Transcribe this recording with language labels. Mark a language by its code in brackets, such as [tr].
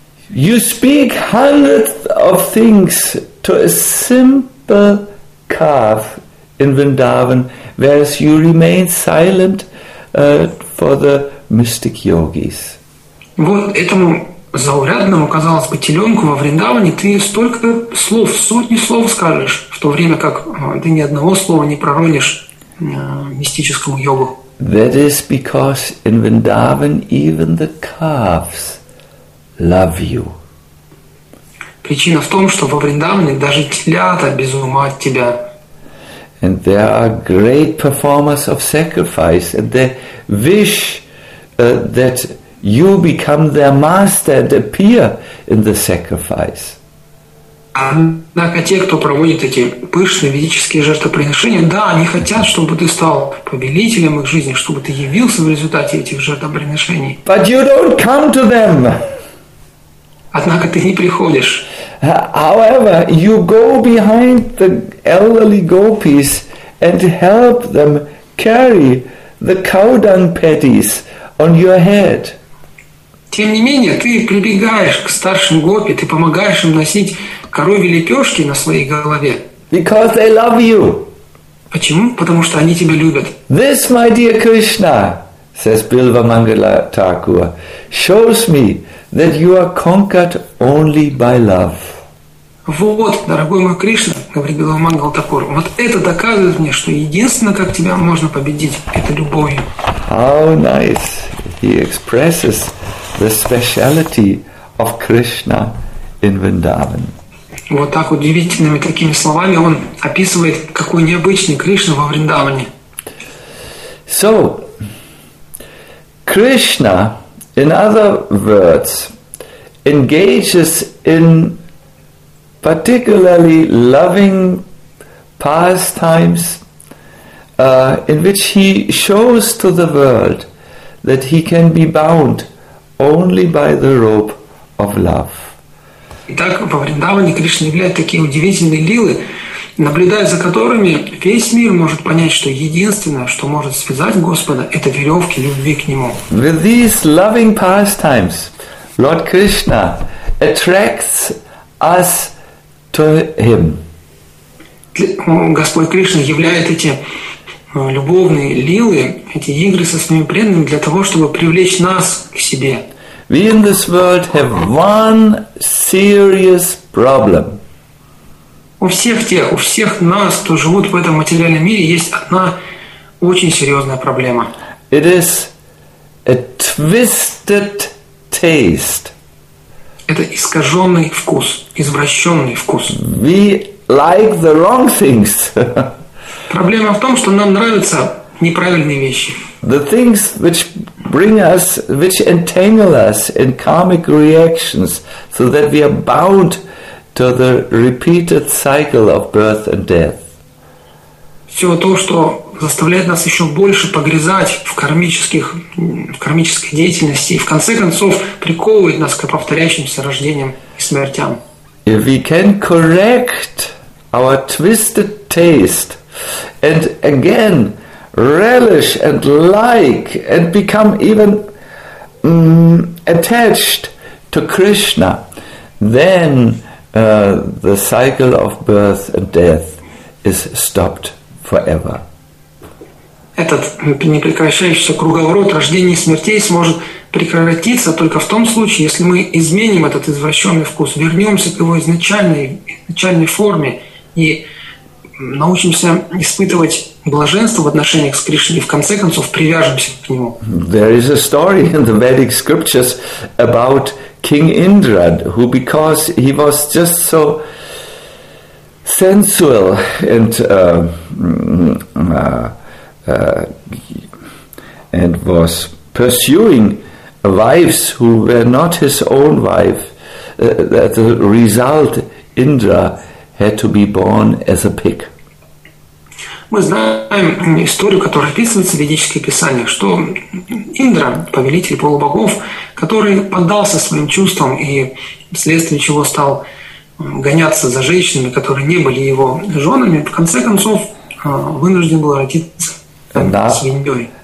[en] You speak hundreds of things to a simple calf in Vrindavan, whereas you remain silent for the mystic yogis. [ru] Вот этому заурядному, казалось бы, теленку во Вриндаване ты столько слов, сотни слов скажешь, в то время как ты ни одного слова не проронишь мистическому йогу. [en] That is because in Vrindavan even the calves love you. [ru] Причина в том, что во Вриндаване даже телята без ума от тебя. [en] And there are great performers of sacrifice, and they wish that you become their master and appear in the sacrifice. [ru] Однако те, кто проводит эти пышные ведические жертвоприношения, да, они хотят, чтобы ты стал повелителем их жизни, чтобы ты явился в результате этих жертвоприношений. [en] But you don't come to them. [ru] Однако ты не приходишь. [en] However, you go behind the elderly gopis and help them carry the cow dung patties on your head. [ru] Тем не менее, ты прибегаешь к старшим гопи, ты помогаешь им носить коровьи лепешки на своей голове. [en] Because they love you. [ru] Почему? Потому что они тебя любят. [en] This, my dear Krishna, says Bilva Mangala Thakur, shows me that you are conquered only by love. [ru] Вот, дорогой мой Кришна, говорит Бхилва Мангала Такур, вот это доказывает мне, что единственное, как тебя можно победить, это любовью. [en] How nice he expresses the speciality of Krishna in Vrindavan. [ru] Вот так удивительными такими словами он описывает, какой необычный Кришна во Вриндаване. [en] So, Krishna, in other words, engages in particularly loving pastimes in which he shows to the world that he can be bound only by the rope of love. [ru] Итак, во Вриндаване Кришна являет такие удивительные лилы, наблюдая за которыми весь мир может понять, что единственное, что может связать Господа, это веревки любви к Нему. [en] With these loving pastimes, Lord Krishna attracts us to Him. [ru] Господь Кришна являет эти любовные лилы, эти игры со своими преданными для того, чтобы привлечь нас к себе. [en] We in this world have one serious problem. [ru] У всех нас, кто живут в этом материальном мире, есть одна очень серьезная проблема. [en] It is a twisted taste. [ru] Это искаженный вкус, извращенный вкус. [en] We like the wrong things. [ru] Проблема в том, что нам нравятся неправильные вещи. [en] The things which bring us, which entangle us in karmic reactions, so that we are bound to the repeated cycle of birth and death. [ru] Все то, что заставляет нас еще больше погрязать в кармической деятельности и в конце концов приковывает нас к повторяющимся рождениям и смертям. [en] If we can correct our twisted taste and again relish and like and become even attached to Krishna, then the cycle of birth and death is stopped forever. [ru] Этот непрекращающийся круговорот рождения и смертей сможет прекратиться только в том случае, если мы изменим этот извращенный вкус, вернемся к его изначальной форме и научимся испытывать блаженство в отношениях с Кришной и в конце концов привяжемся к нему. [en] There is a story in the Vedic scriptures about King Indra, who, because he was just so sensual and was pursuing wives who were not his own wife, that the result Indra had to be born as a pig. [ru] Мы знаем историю, которая описывается в ведических писаниях, что Индра, повелитель полубогов, который поддался своим чувствам и вследствие чего стал гоняться за женщинами, которые не были его женами, в конце концов вынужден был родиться свиньей.